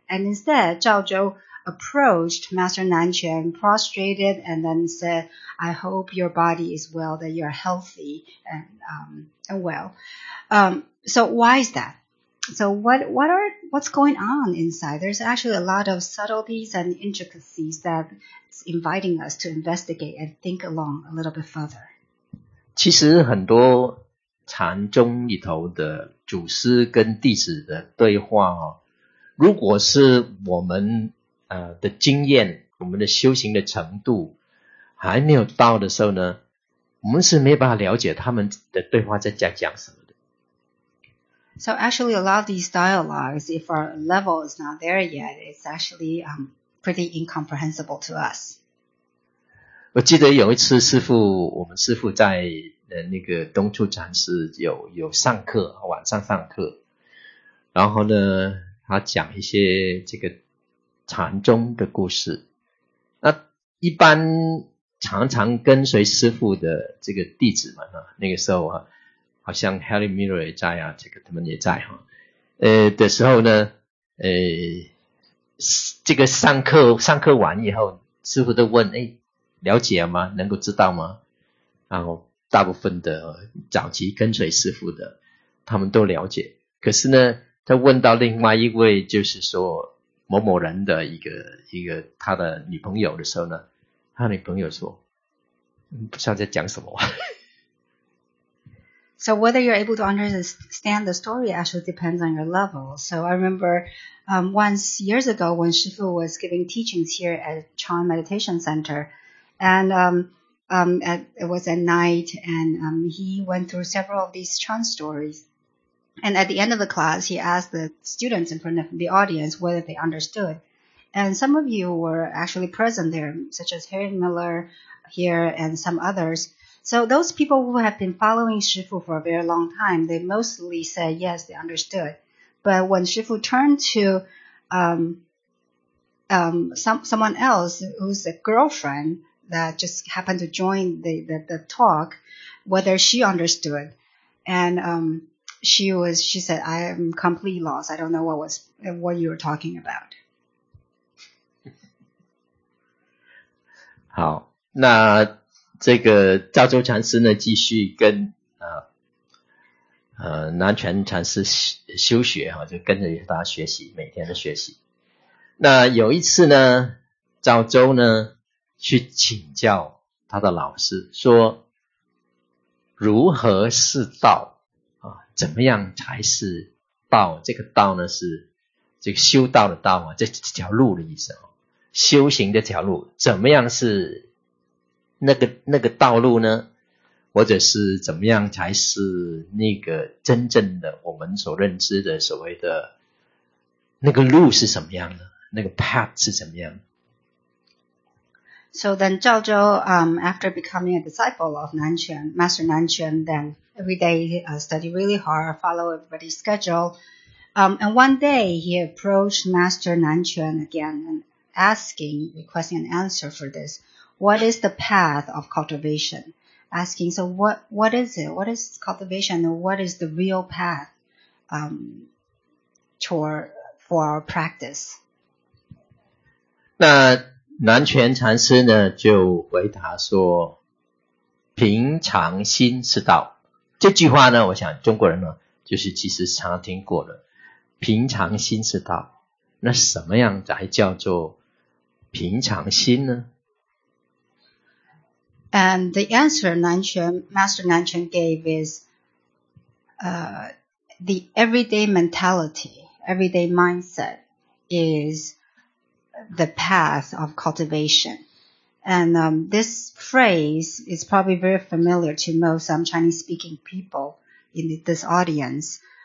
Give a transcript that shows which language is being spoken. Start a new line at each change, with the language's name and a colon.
English: And instead, Zhao Zhou approached Master Nan Quan, prostrated, and then said, I hope your body is well, that you're healthy and well. So why is that? So what's going on inside? There's actually a lot of subtleties and intricacies that's inviting us to investigate and think along a little bit further.
Chinese: 其实很多禅宗里头的祖师跟弟子的对话，如果是我们的经验，我们的修行的程度还没有到的时候呢，我们是没办法了解他们的对话在讲什么的。
English: So actually, a lot of these dialogues, if our level is not there yet, it's actually pretty incomprehensible to us.
Chinese: 我记得有一次师父，我们师父在那个东处禅师有上课，晚上上课，然后呢，他讲一些这个禅宗的故事。那一般常常跟随师父的这个弟子们啊，那个时候啊，好像 Harry Miller 也在啊，这个他们也在哈、啊，的时候呢，这个上课完以后，师父都问，哎，了解了吗？能够知道吗？然后大部分的早期跟随师父的，他们都了解。可是呢，他问到另外一位，就是说某某人的一个他的女朋友的时候呢，他女朋友说，不知道在讲什么。
English: So whether you're able to understand the story actually depends on your level. So I remember once years ago when Shifu was giving teachings here at Chan Meditation Center, and it was at night, and he went through several of these Chan stories. And at the end of the class, he asked the students in front of the audience whether they understood. And some of you were actually present there, such as Harry Miller here and some others. So those people who have been following Shifu for a very long time, they mostly said, yes, they understood. But when Shifu turned to someone else who's a girlfriend that just happened to join the talk, whether she understood. And she said, I am completely lost. I don't know what you were talking about.
Chinese: 好，那这个赵州禅师呢，继续跟南泉禅师修学哈，就跟着他学习，每天的学习。那有一次呢，赵州呢去请教他的老师，说如何是道啊？怎么样才是道？这个道呢是这个修道的道啊，这条路的意思啊。修行的条路怎么样是那个道路呢？或者是怎么样才是那个真正的我们所认知的所谓的那个路是什么样的？那个 path 是怎么样的？
English: So then Zhao Zhou, after becoming a disciple of Nanquan, Master Nanquan, then every day study really hard, follow everybody's schedule. And one day he approached Master Nanquan again and requesting an answer for this. What is the path of cultivation? Asking, so what is it? What is cultivation? And what is the real path for our practice?
Chinese: 那南泉禅师呢就回答说，平常心是道。这句话呢，我想中国人呢，就是其实常常听过的，平常心是道。那什么样才叫做平常心呢？
English: And the answer Master Nanquan gave is the everyday mentality, everyday mindset is the path of cultivation. And this phrase is probably very familiar to most Chinese speaking people in this audience.